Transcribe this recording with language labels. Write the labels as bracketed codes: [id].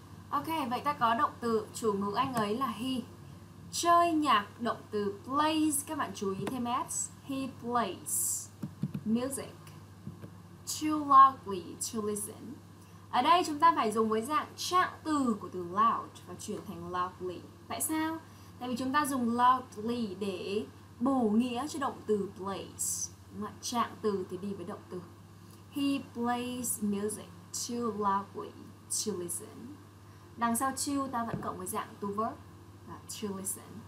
[vi] Ok, vậy ta có động từ chủ ngữ anh ấy là he. Chơi nhạc, động từ plays, các bạn chú ý thêm s. [en] He plays music too loudly to listen. [vi] Ở đây chúng ta phải dùng với dạng trạng từ của từ loud và chuyển thành loudly. Tại sao? Tại vì chúng ta dùng loudly để bổ nghĩa cho động từ plays. Trạng từ thì đi với động từ. [en] He plays music too loudly to listen. [vi] Đằng sau to ta vẫn cộng với dạng to verb. to listen.